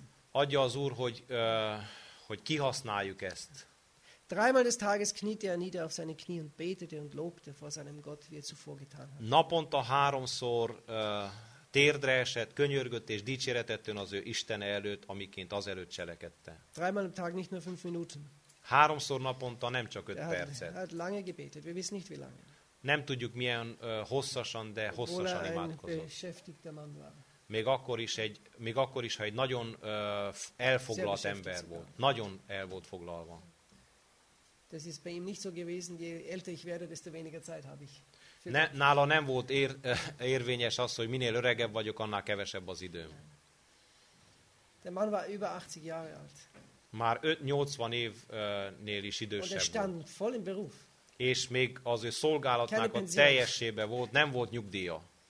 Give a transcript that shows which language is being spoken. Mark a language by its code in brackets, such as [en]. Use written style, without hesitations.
[hu] Adja az Úr, hogy, hogy kihasználjuk ezt. [de] Dreimal des Tages kniete er nieder auf seine Knie und betete und lobte vor seinem Gott, wie er zuvor getan hat. [hu] Naponta háromszor térdre esett, könyörgött és dicséretett ön az ő Isten előtt, amiként azelőtt cselekedte. [de] Dreimal am Tag nicht nur 5 Minuten. [hu] Háromszor naponta nem csak 5 percet. [de] Er hat lange gebetet, wir wissen nicht wie lange. [hu] Nem tudjuk milyen hosszasan, de hosszasan imádkozott. [de] Obwohl er ein beschäftigter Mann war. [hu] Még akkor is, ha egy nagyon elfoglalt ember volt. Nagyon el volt foglalva. [de] Das ist bei ihm nicht so gewesen, je älter ich werde, desto weniger Zeit habe ich. [hu] Ne, nála nem volt érvényes az, hogy minél öregebb vagyok, annál kevesebb az időm. [de] Der Mann war über 80 Jahre alt. [hu] Már 80 évnél is idősebb volt. [de] Und er stand voll im Beruf. [hu] És még az ő szolgálatnak a teljesébe volt, nem volt nyugdíja.